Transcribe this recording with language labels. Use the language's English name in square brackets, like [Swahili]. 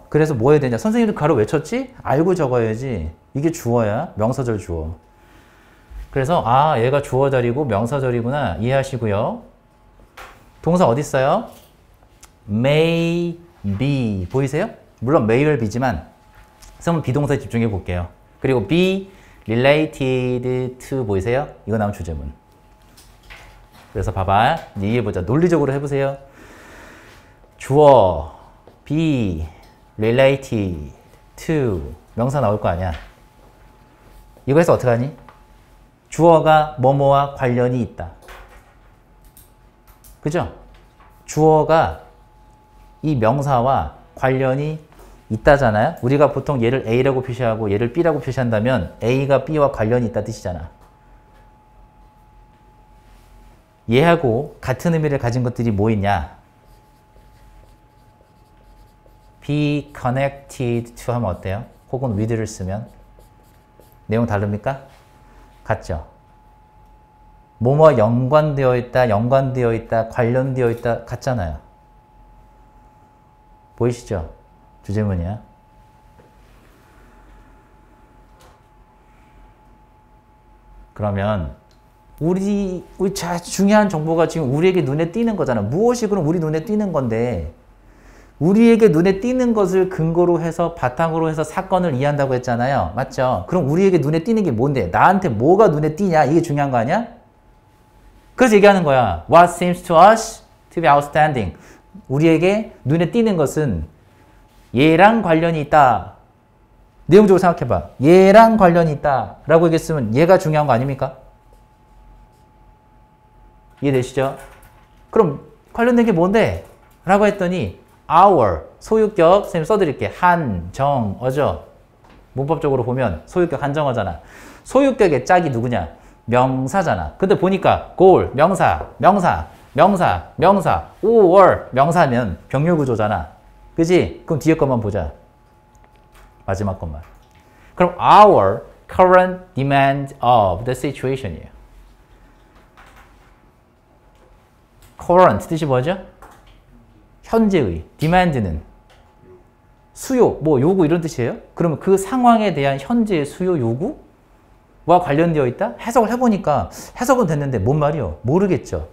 [Korean] 그래서 뭐 해야 되냐? 선생님들 가로 왜 쳤지? 알고 적어야지. 이게 주어야. 명사절 주어. 그래서 아 얘가 주어절이고 명사절이구나 이해하시고요. 동사 어디 있어요? may be 보이세요? 물론 [English] may well be [Korean] 지만 그러면 비동사에 집중해 볼게요. 그리고 [English] be related to [Korean] 보이세요? 이거 나온 주제문. 그래서 봐봐 이해해 보자. 논리적으로 해보세요. 주어 [English] be related to [Korean] 명사 나올 거 아니야. 이거 해서 어떻게 하니? 주어가 뭐뭐와 관련이 있다. 그죠? 주어가 이 명사와 관련이 있다잖아요. 우리가 보통 얘를 A라고 표시하고 얘를 B라고 표시한다면 A가 B와 관련이 있다 뜻이잖아. 얘하고 같은 의미를 가진 것들이 뭐 있냐? [English] Be connected to [Korean] 하면 어때요? 혹은 with를 쓰면? 내용 다릅니까? 같죠? 뭐뭐 연관되어 있다, 연관되어 있다, 관련되어 있다, 같잖아요. 보이시죠? 주제문이야. 그러면 우리 제일 중요한 정보가 지금 우리에게 눈에 띄는 거잖아. 무엇이 그럼 우리 눈에 띄는 건데 우리에게 눈에 띄는 것을 근거로 해서 바탕으로 해서 사건을 이해한다고 했잖아요. 맞죠? 그럼 우리에게 눈에 띄는 게 뭔데? 나한테 뭐가 눈에 띄냐? 이게 중요한 거 아니야? 그래서 얘기하는 거야. [English] What seems to us to be outstanding? [Korean] 우리에게 눈에 띄는 것은 얘랑 관련이 있다. 내용적으로 생각해봐. 얘랑 관련이 있다. 라고 얘기했으면 얘가 중요한 거 아닙니까? 이해되시죠? 그럼 관련된 게 뭔데? 라고 했더니 our, 소유격, 선생님 써드릴게. 한, 정, 어죠? 문법적으로 보면 소유격 한정어잖아. 소유격의 짝이 누구냐? 명사잖아. 근데 보니까 goal, 명사, 명사, 명사, 명사, or, 명사면 병렬구조잖아. 그지? 그럼 뒤에 것만 보자. 마지막 것만. 그럼 [English] our current demand of the situation이에요. [Korean] current 뜻이 뭐죠? 현재의, demand는 수요, 뭐 요구 이런 뜻이에요? 그러면 그 상황에 대한 현재의 수요 요구와 관련되어 있다? 해석을 해보니까 해석은 됐는데 뭔 말이요? 모르겠죠.